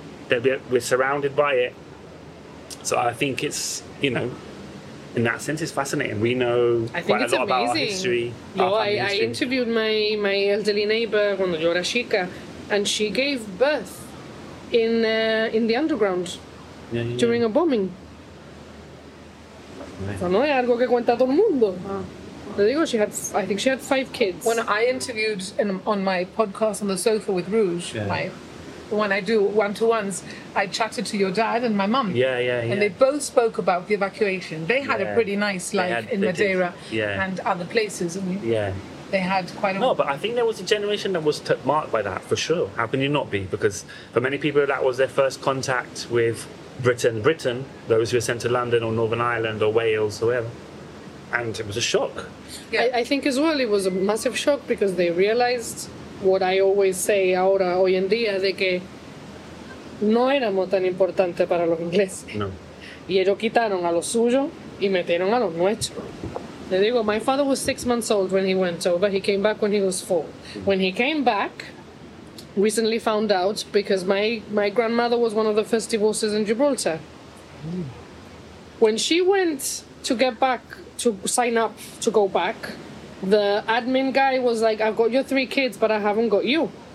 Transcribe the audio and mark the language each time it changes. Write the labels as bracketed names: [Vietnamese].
[English] We're surrounded by it. So I think it's, you know, in that sense, it's fascinating. We know quite a lot amazing. About our history. I interviewed my elderly neighbor when [Spanish] yo era chica, [English] and she gave birth in the underground during a bombing. [Spanish] No es algo que cuenta todo el mundo. Te digo, [English] I think she had 5 kids. When I interviewed on my podcast on the sofa with Rouge, when I do one-to-ones, I chatted to your dad and my mum. Yeah. And they both spoke about the evacuation. They had a pretty nice life in Madeira and other places. They had quite a... No, but I think there was a generation that was marked by that, for sure. How can you not be? Because for many people, that was their first contact with Britain, those who were sent to London or Northern Ireland or Wales or wherever. And it was a shock. I think as well it was a massive shock because they realised... What I always say [Spanish] ahora, hoy en día, de que no éramos tan importantes para los ingleses. No. Y ellos quitaron a los suyos y metieron a los nuestros. Le digo, [English] my father was 6 months old when he went over. He came back when he was 4. When he came back, recently found out, because my grandmother was one of the first divorces in Gibraltar. When she went to get back, to sign up to go back, the admin guy was like, I've got your 3 kids, but I haven't got you.